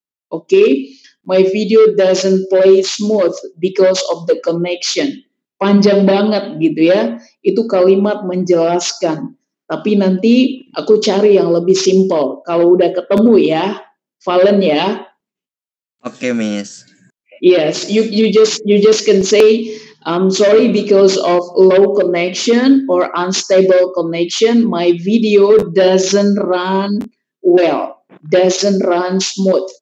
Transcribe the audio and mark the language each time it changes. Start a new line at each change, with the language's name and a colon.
English: Okay, my video doesn't play smooth because of the connection.
Indonesian: Panjang banget gitu ya. Itu kalimat menjelaskan. Tapi nanti aku cari yang lebih simple. Kalau udah ketemu ya, Valen ya.
English: Okay, Miss. Yes, you just can say I'm sorry because of low connection or unstable connection, my video doesn't run well, doesn't run smooth.